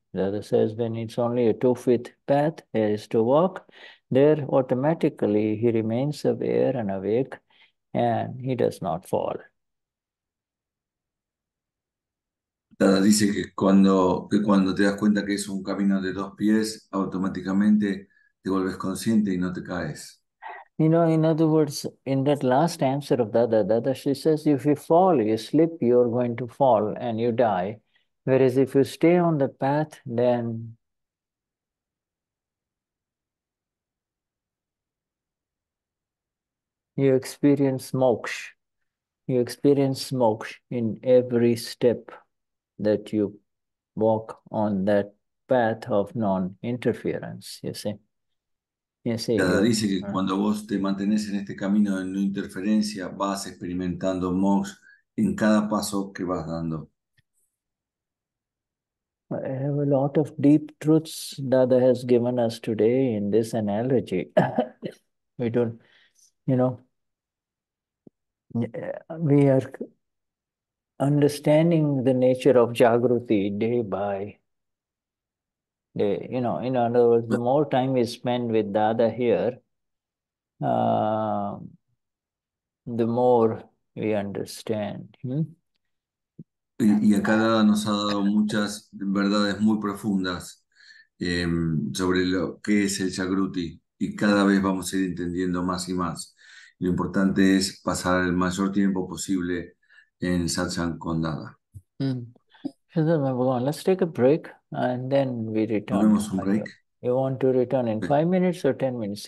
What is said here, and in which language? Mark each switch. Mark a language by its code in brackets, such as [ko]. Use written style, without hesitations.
[en] That says when it's only a 2 feet path there is to walk, there automatically he remains aware and awake and he does not fall. [es] Dice que cuando te das cuenta que es un camino de 2 pies, automáticamente te vuelves consciente y no te caes. [en] You know, in other words, in that last answer of Dada, she says, if you fall, you slip, you're going to fall and you die. Whereas if you stay on the path, then you experience moksha. You experience moksha in every step that you walk on that path of non-interference, you see. You see, Dada you. [es] dice que cuando vos te mantenés en este camino de no interferencia, vas experimentando moksha en cada paso que vas dando. [en] I have a lot of deep truths Dada has given us today in this analogy. We don't, you know, we are understanding the nature of Jagruti day by day. You know, in other words, the more time we spend with Dada here, the more we understand. [es] Y acá Dada nos ha dado muchas verdades muy profundas sobre lo que es el Jagruti, y cada vez vamos a ir entendiendo más y más. Lo importante es pasar el mayor tiempo posible en Satsang con Dada. [en] Let's take a break and then we return. [es] ¿Tomemos un break? [en] You want to return in 5 minutes or 10 minutes?